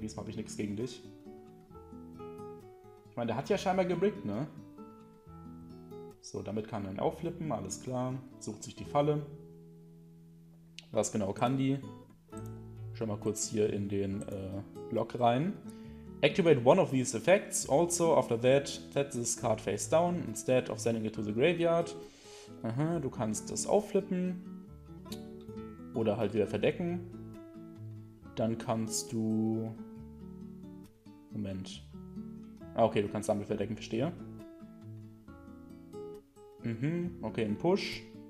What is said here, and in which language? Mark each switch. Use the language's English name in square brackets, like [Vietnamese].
[German] Diesmal habe ich nichts gegen dich. Ich meine, der hat ja scheinbar gebrickt, ne? So, damit kann er ihn aufflippen, alles klar. Sucht sich die Falle. Was genau kann die? Schau mal kurz hier in den Block rein. [English] Activate one of these effects. Also, after that, set this card face down instead of sending it to the graveyard. [German] Aha, du kannst das aufflippen. Oder halt wieder verdecken. Dann kannst du... Moment. Ah, okay, du kannst damit verdecken, verstehe. Mhm, okay, ein Push.